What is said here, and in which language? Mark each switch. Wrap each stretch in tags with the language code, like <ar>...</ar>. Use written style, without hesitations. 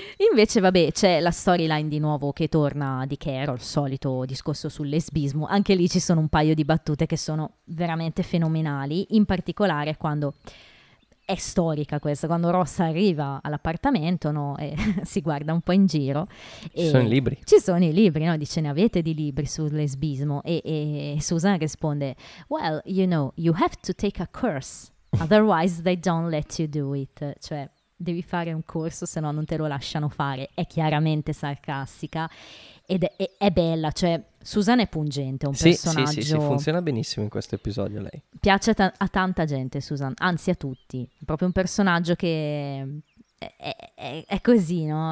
<it>Invece vabbè, c'è la storyline di nuovo che torna di Carol, il solito discorso sul lesbismo. Anche lì ci sono un paio di battute che sono veramente fenomenali, in particolare quando... È storica questa, quando Ross arriva all'appartamento, no, e si guarda un po' in giro. E ci sono i libri. Ci sono i libri, no? Dice, ne avete di libri sul lesbismo? E Susan risponde,</it> <en>well, you know, you have to take a course, otherwise they don't let you do it.</en> <it>Cioè, devi fare un corso, se no non te lo lasciano fare. È chiaramente sarcastica ed è bella, cioè... Susan è pungente, è un sì, personaggio... Sì, sì, funziona benissimo in questo episodio lei. Piace a tanta gente Susan, anzi a tutti. È proprio un personaggio che è così, no?</it>